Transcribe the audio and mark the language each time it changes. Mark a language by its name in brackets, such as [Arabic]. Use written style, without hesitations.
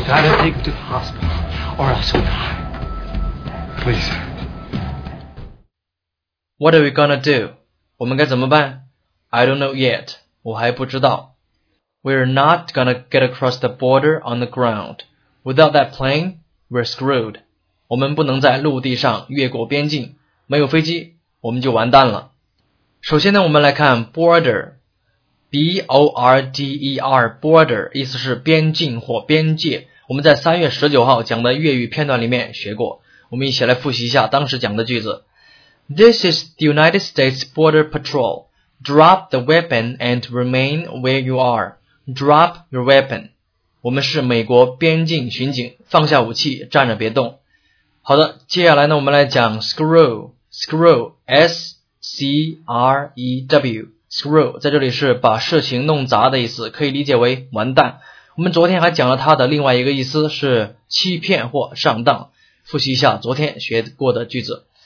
[English] We gotta take him to the hospital, or else we die. Please. What are we gonna do? [Chinese] 我们该怎么办? [English] I don't know yet. [Chinese] 我还不知道。 [English] We're not gonna get across the border on the ground. Without that plane, we're screwed. [Chinese] 我们不能在陆地上越过边境。没有飞机,我们就完蛋了。首先呢,我们来看 border. B-O-R-D-E-R, border, 意思是边境或边界。我们在3月19号讲的粤语片段里面学过。我们一起来复习一下当时讲的句子。 [English] This is the United States Border Patrol. Drop the weapon and remain where you are. Drop your weapon. [Chinese] 我们是美国边境巡警,放下武器,站着别动。好的,接下来呢,我们来讲 screw, screw, S-C-R-E-W. Screw 在这里是把事情弄砸的意思可以理解为完蛋我们昨天还讲了它的另外一个意思是欺骗或上当复习一下昨天学过的句子